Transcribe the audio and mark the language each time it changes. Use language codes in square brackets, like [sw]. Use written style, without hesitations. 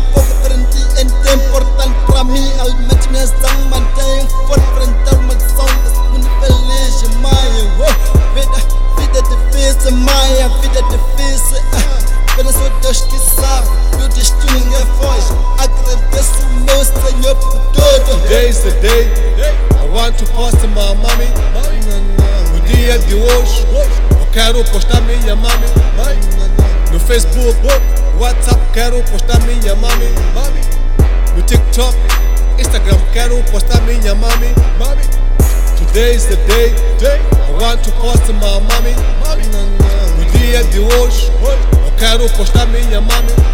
[pt] Povo grande é tão importante pra mim. Alimente minhas almas, tenho forte enfrentar uma missão desse mundo feliz, mãe. Vida, vida difícil, mãe, a vida é difícil. Apenas o Deus que sabe, meu destino ninguém foge. Agradeço o meu Senhor por tudo. [en] Today's the day I want to post my mami. [pt] No dia de hoje eu quero postar minha mami. No Facebook, WhatsApp, quero postar minha mami. No TikTok, Instagram, quero postar minha mami. [en] Today's the day I want to post my mami. [pt] No dia de hoje eu quero postar minha mami.